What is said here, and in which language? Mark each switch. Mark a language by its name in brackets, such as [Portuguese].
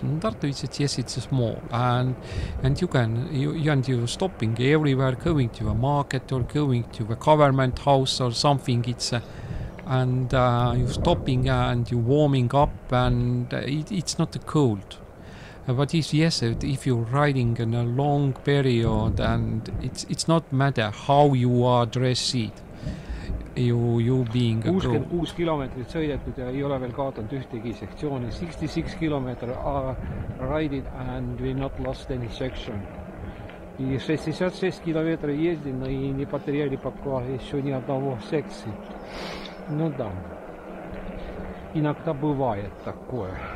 [English] Tartu is it's small and you're stopping everywhere, going to a market or going to a government house or something. It's you're stopping and you're warming up and it's not cold. But if you're riding in a long period and it's not matter how you are dressed. You being a [Estonian] 66 kilometrit sõidetud ja ei ole veel kaotanud ühtegi sektsiooni. [English] 66 kilometer are riding and we not lost any section. [Russian] 66 kilometer ездил, но и не потеряли пока еще ни одного секции. Да. Иногда бывает такое.